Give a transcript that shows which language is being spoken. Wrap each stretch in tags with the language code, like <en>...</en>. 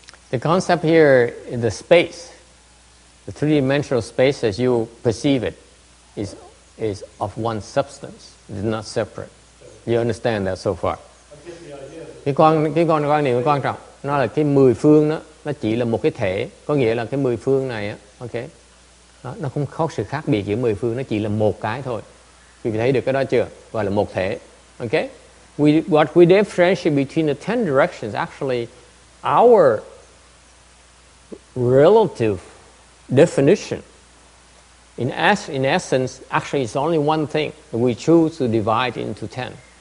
<en>The concept here is the space, the three-dimensional space as you perceive it, is of one substance. It is not separate. You understand that so far?</en> <vi>Cái quan niệm quan trọng, nó là cái mười phương đó, nó chỉ là một cái thể, có nghĩa là cái mười phương này á, okay, nó không có sự khác biệt giữa mười phương, nó chỉ là một cái thôi. Quý vị thấy được cái đó chưa? Gọi là một thể. Okay?</vi> <en>What we differentiate between the 10 directions, actually, our relative definition, in essence, actually it's only one thing that we choose to divide into 10.</en>